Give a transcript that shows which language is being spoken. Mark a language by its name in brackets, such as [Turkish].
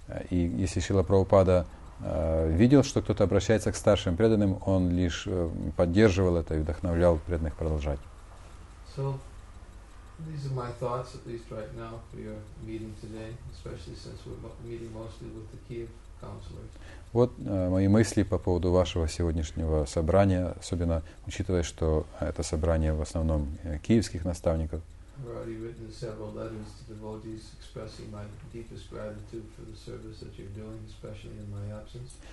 [Russian] И если Шрила Прабхупада видел, что кто-то обращается к старшим преданным, он лишь поддерживал это и вдохновлял преданных продолжать. [English] These are my thoughts, at least right now, for your meeting today, especially since we're meeting mostly with the Kiev counselors. [Russian] Вот мои мысли по поводу вашего сегодняшнего собрания, особенно учитывая, что это собрание в основном киевских наставников. [English] I've already written several letters to devotees expressing my deepest gratitude for the service that you're doing, especially in my absence.